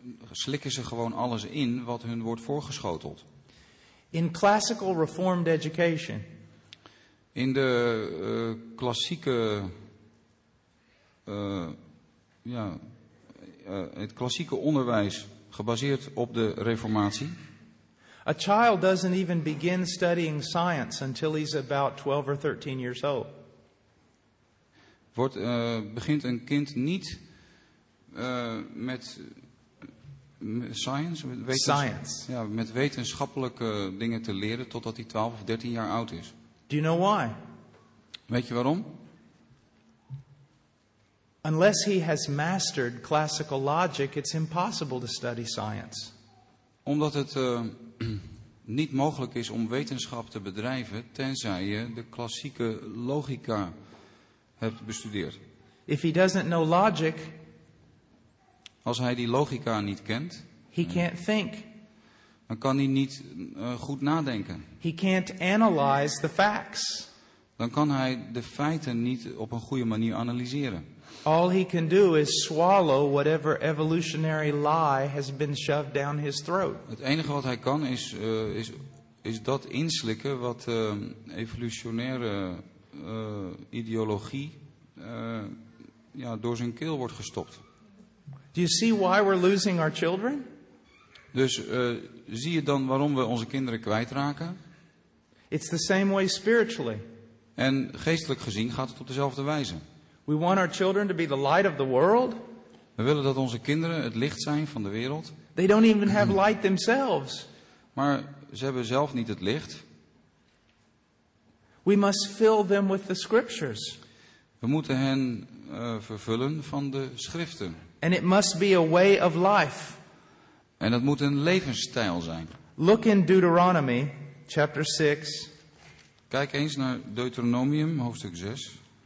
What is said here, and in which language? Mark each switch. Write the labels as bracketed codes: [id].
[nl] Slikken ze gewoon alles in wat hun wordt voorgeschoteld. [en] In classical reformed education. [nl] In de klassieke het klassieke onderwijs gebaseerd op de reformatie. [en] A child doesn't even begin studying science until he's about 12 or 13 years old. [nl] Begint een kind niet met science, met [en] science. [nl] Ja, met wetenschappelijke dingen te leren totdat hij 12 of 13 jaar oud is. [en] Do you know why? [nl] Weet je waarom? [en] Unless he has mastered classical logic, it's impossible to study science. [nl] Omdat het niet mogelijk is om wetenschap te bedrijven tenzij je de klassieke logica hebt bestudeerd. [en] If he doesn't know logic, [nl] als hij die logica niet kent, [en] he can't think. [nl] Dan kan hij niet goed nadenken. [en] He can't analyze the facts. [nl] Dan kan hij de feiten niet op een goede manier analyseren. [en] All he can do is swallow whatever evolutionary lie has been shoved down his throat. [nl] Het enige wat hij kan is dat inslikken wat evolutionaire ideologie door zijn keel wordt gestopt. [en] Do you see why we're losing our children? [nl] Dus zie je dan waarom we onze kinderen kwijtraken? [en] It's the same way spiritually. [nl] En geestelijk gezien gaat het op dezelfde wijze. [en] We want our children to be the light of the world. [nl] We willen dat onze kinderen het licht zijn van de wereld. [en] They don't even have light themselves. [nl] Maar ze hebben zelf niet het licht. [en] We must fill them with the scriptures. [nl] We moeten hen vervullen van de schriften. [en] And it must be a way of life. [nl] En dat moet een levensstijl zijn. [en] Look in Deuteronomy chapter 6. [nl] Kijk eens naar Deuteronomium hoofdstuk 6.